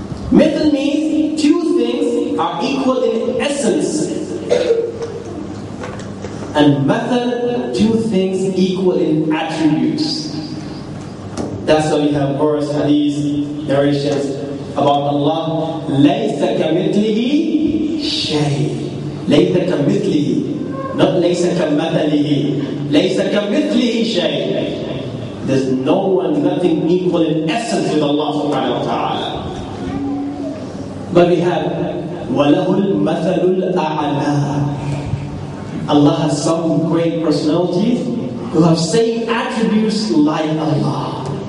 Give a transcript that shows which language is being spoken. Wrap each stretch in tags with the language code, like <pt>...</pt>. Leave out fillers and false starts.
<en>Mithl means two things are equal in essence. And method, two things equal in attributes. That's why we have verse, hadith, narrations about Allah.</en> <ar>لَيْسَ كَمِثْلِهِ شَيْءٍ. ليس كمثله,</ar> <en>not</en> <ar>ليس كمثله, ليس كمثله شيء.</ar> <en>There's no one, nothing equal in essence with Allah subhanahu wa ta'ala. But we have</en> <ar>وَلَهُ الْمَثَلُ الْأَعْلَى.</ar> <en>Allah has some great personalities who have same attributes like Allah.</en>